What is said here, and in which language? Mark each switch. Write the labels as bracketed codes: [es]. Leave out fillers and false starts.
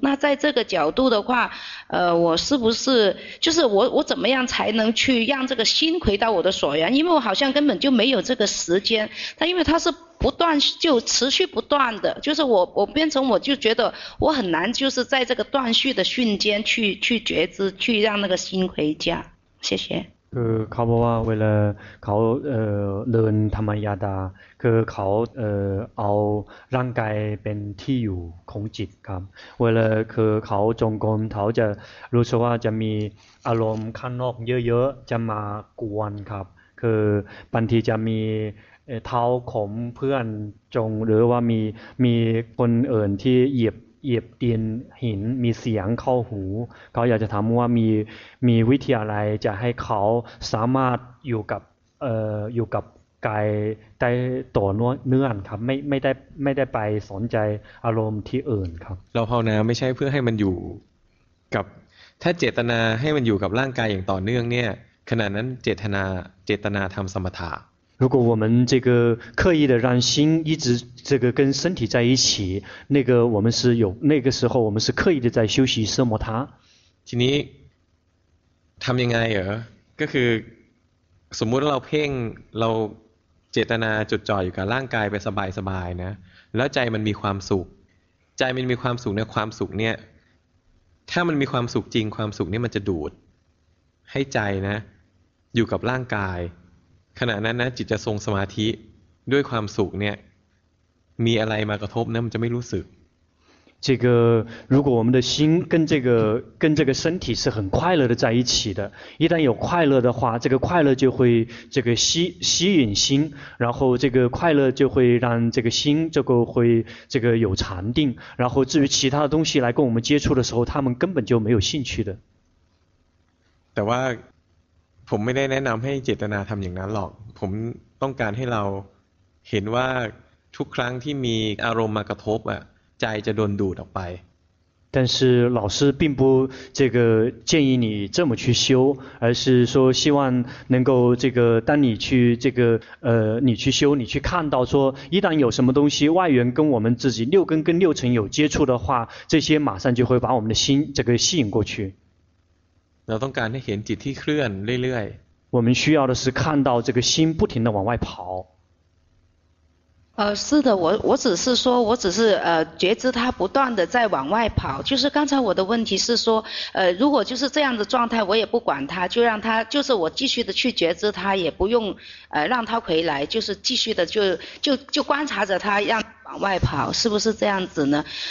[zh] 那在这个角度的话我是不是就是我怎么样才能去让这个心回到我的所缘？因为我好像根本就没有这个时间，但因为它是不断就持续不断的，就是我变成我就觉得我很难就是在这个断续的瞬间去觉知，去让那个心回家。谢谢。 [th] เขาบอกว่าเวลาเขาเดินธรรมยาดาคือเขาเอาร่างกายเป็นที่อยู่ของจิตครับเวลาคือเขาจงกรมเขาจะรู้สึกว่าจะมีอารมณ์ข้างนอกเยอะๆจะมากวนครับคือบางทีจะมี เท้าของเพื่อนจงหรือว่ามีคนอื่นที่เหยียบดินหินมีเสียงเข้าหูเขาอยากจะถามว่ามีวิธีอะไรจะให้เขาสามารถอยู่กับกายได้ต่อเนื่องครับไม่ได้ไปสนใจอารมณ์ที่อื่นครับ เราภาวนาไม่ใช่เพื่อให้มันอยู่กับถ้าเจตนาให้มันอยู่กับร่างกายอย่างต่อเนื่องเนี่ยขณะนั้นเจตนาทำสมถะ [zh] 如果我们这个刻意的让心一直这个跟身体在一起，那个我们是有那个时候我们是刻意的在休息奢摩他。 [th] ทีนี้ทำยังไงเหรอก็คือสมมติเราเพ่งเราเจตนาจดจ่ออยู่กับร่างกายไปสบายสบายนะแล้วใจมันมีความสุขใจมันมีความสุขเนี่ยความสุขเนี่ยถ้ามันมีความสุขจริงความสุขนี่มันจะดูดให้ใจนะอยู่กับร่างกายขณะนั้นนะจิตจะทรงสมาธิด้วยความสุขเนี่ยมีอะไรมากระทบนะมันจะไม่รู้สึก [zh] 这个如果我们的心跟这个身体是很快乐的在一起的，一旦有快乐的话，这个快乐就会这个吸引心，然后这个快乐就会让这个心这个会这个有禅定，然后至于其他的东西来跟我们接触的时候，他们根本就没有兴趣的。 [th] แต่ว่าผมไม่ได้แนะนำให้เจตนาทำอย่างนั้นหรอกผมต้องการให้เราเห็นว่าทุกครั้งที่มีอารมณ์มากระทบอ่ะใจจะโดนดูดออกไป [zh] 但是老师并不这个建议你这么去修，而是说希望能够这个当你去这个你去修，你去看到说一旦有什么东西外缘跟我们自己六根跟六尘有接触的话，这些马上就会把我们的心这个吸引过去。 [th] เราต้องการให้เห็นจิตที่เคลื่อนเรื่อย [zh] ๆ我们需要的是看到这个心不停地往外跑是的我只是说我只是觉知它不断地在往外跑就是刚才我的问题是说如果就是这样的状态我也不管它就让它就是我继续地去觉知它也不用让它回来就是继续地就观察着它让往外跑是不是这样子呢